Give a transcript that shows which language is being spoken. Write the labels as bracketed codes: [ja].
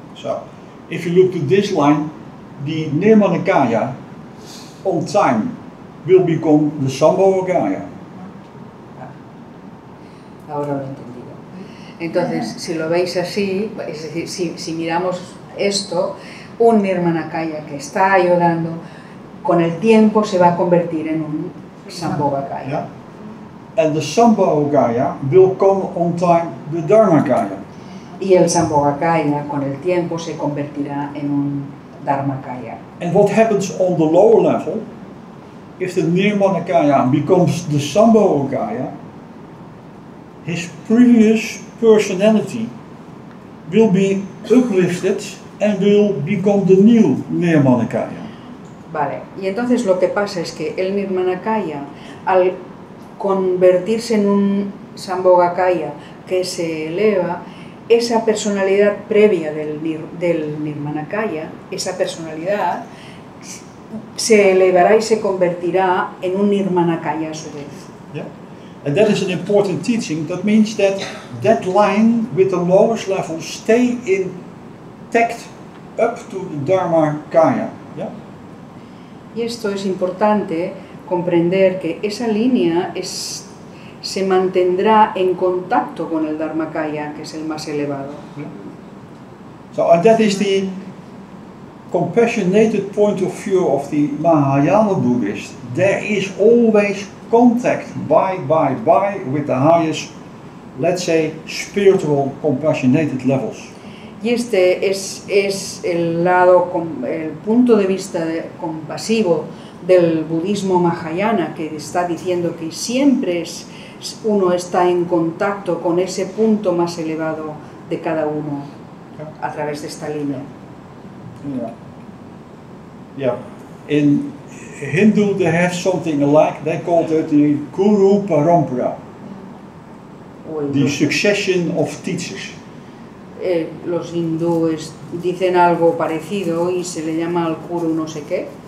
[en] So, if you look to this line, the Nirmanakaya on time will become the Sambhogakaya. [es] Ahora lo he entendido. Entonces, si lo veis así, es decir, si miramos esto, un Nirmanakaya que está ayudando, con el tiempo se va a convertir en un Sambhogakaya. [en] Yeah. And the Sambhogakaya will come on time the Dharmakaya. [es] Y el Sambhogakaya con el tiempo se convertirá en un Dharmakaya. [en] And what happens on the lower level, if the Nirmanakaya becomes the Sambhogakaya, his previous personality will be uplifted and will become the new Nirmanakaya. [es] Vale, y entonces lo que pasa es que el Nirmanakaya, al convertirse en un Sambhogakaya que se eleva, esa personalidad previa del Nirmanakaya, esa personalidad, se elevará y se convertirá en un Nirmanakaya a su vez. [en] Yeah. And that is an important teaching. That means that that line with the lowest level stay intact up to the Dharmakaya. Yeah? [es] Y esto es importante comprender, que esa línea se mantendrá en contacto con el Dharmakaya, que es el más elevado. [en] So, and that is the compassionate point of view of the Mahayana Buddhist. There is always contact by with the highest, let's say, spiritual compassionate levels. [es] Y este es el punto de vista compasivo del budismo Mahayana, que está diciendo que siempre uno está en contacto con ese punto más elevado de cada uno a través de esta línea. Yeah. Yeah. [en] In Hindu they have something like, they called it the Guru Parampara. The succession of teachers. [es] Los hindúes dicen algo parecido y se le llama al Guru no sé qué.